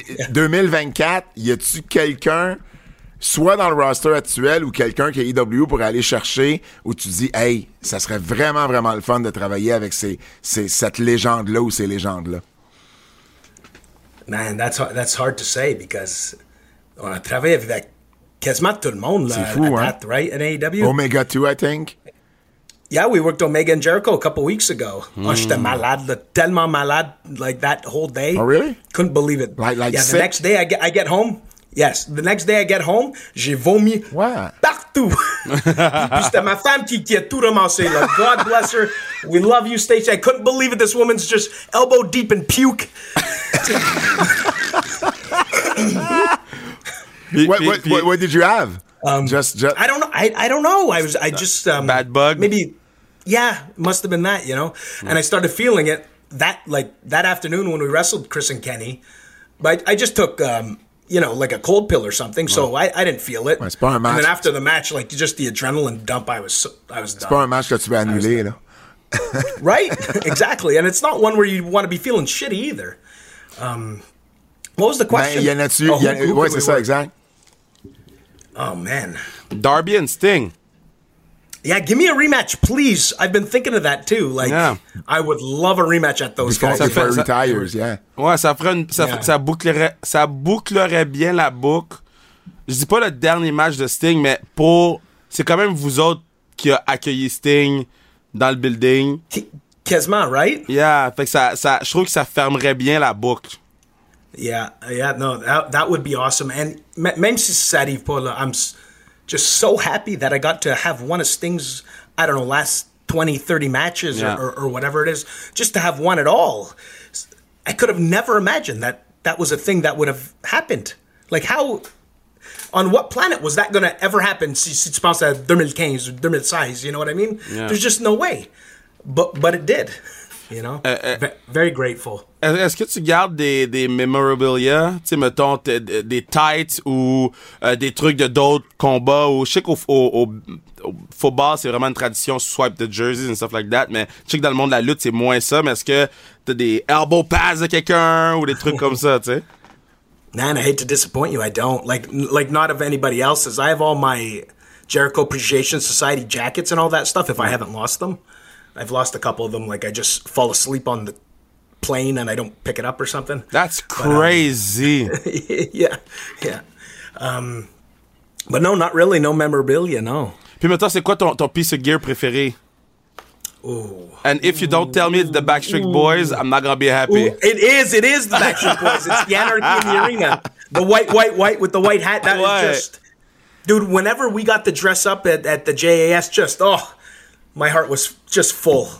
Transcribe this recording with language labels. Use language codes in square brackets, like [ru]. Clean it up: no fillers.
[fr] 2024, y a-tu quelqu'un, soit dans le roster actuel ou quelqu'un qui est AEW pour aller chercher, où tu dis, hey, ça serait vraiment, vraiment le fun de travailler avec cette légende-là ou ces légendes-là? [en] Man, that's hard to say because [fr] on a travaillé avec quasiment tout le monde. C'est fou, hein? [en] That, right, in AEW? Omega 2, I think. Yeah, we worked Omega and Jericho a couple weeks ago. [fr] Mm. Oh, j'étais malade, tellement malade, [en] like, that whole day. Oh, really? Couldn't believe it. Like yeah, the sick? Next day, I get home. Yes. The next day I get home, [fr] j'ai vomi partout. Puis c'était ma femme qui a tout ramassé. [en] Like, God bless her. We love you, Stacey. I couldn't believe it. This woman's just elbow deep in puke. what did you have? I don't know. I don't know. Bad bug. Maybe. Yeah, must have been that, you know. Mm. And I started feeling it that afternoon when we wrestled Chris and Kenny. But I just took, like a cold pill or something. Right. So I didn't feel it. [fr] Ouais, c'est pas un match. [en] And then after the match, like just the adrenaline dump, I was [fr] c'est [en] done. [fr] C'est pas un match que tu veux annuler, [en] you know. Right? Exactly. And it's not one where you want to be feeling shitty either. What was the question? [fr] Mais y en a-tu, oh, ouais, c'est ça, exact. [en] Oh, man. Darby and Sting. Yeah, give me a rematch, please. I've been thinking of that too. Like, yeah. I would love a rematch at those because guys. Before retires, yeah. [fr] Ouais, ça bouclerait bien la boucle. Je dis pas le dernier match de Sting, mais pour c'est quand même vous autres qui a accueilli Sting dans le building. Quasiment, right? Yeah, fait que ça je trouve que ça fermerait bien la boucle. [en] Yeah, no, that would be awesome. And [fr] même si ça arrive pas là, [en] I'm just so happy that I got to have one of Sting's, I don't know, last 20, 30 matches or whatever it is, just to have one at all. I could have never imagined that was a thing that would have happened. Like how, on what planet was that going to ever happen [fr] si tu penses à 2015 [en] or 2016, you know what I mean? Yeah. There's just no way. But it did, you know? Very grateful. [fr] Est-ce que tu gardes des memorabilia, tu sais, mettons, des tights ou des trucs de d'autres combats? Ou, je sais qu'au football, c'est vraiment une tradition, [en] swipe the jerseys and stuff like that, [fr] mais je sais que dans le monde de la lutte, c'est moins ça, mais est-ce que t'as des elbow pads de quelqu'un ou des trucs comme ça, tu sais? [en] Man, I hate to disappoint you, I don't. Like not of anybody else's. I have all my Jericho Appreciation Society jackets and all that stuff if I haven't lost them. I've lost a couple of them, like I just fall asleep on the plane and I don't pick it up or something. That's crazy. But, but no, not really. No memorabilia, no. [fr] Puis maintenant, c'est quoi ton [en] piece of gear [fr] préféré? Ooh. [en] And if you don't tell me it's the Backstreet Boys, I'm not going to be happy. Ooh. It is the Backstreet Boys. It's the Anarchy in the Arena. The white with the white hat. That what? Is just, dude, whenever we got to dress up at the JAS, just, oh, my heart was just full.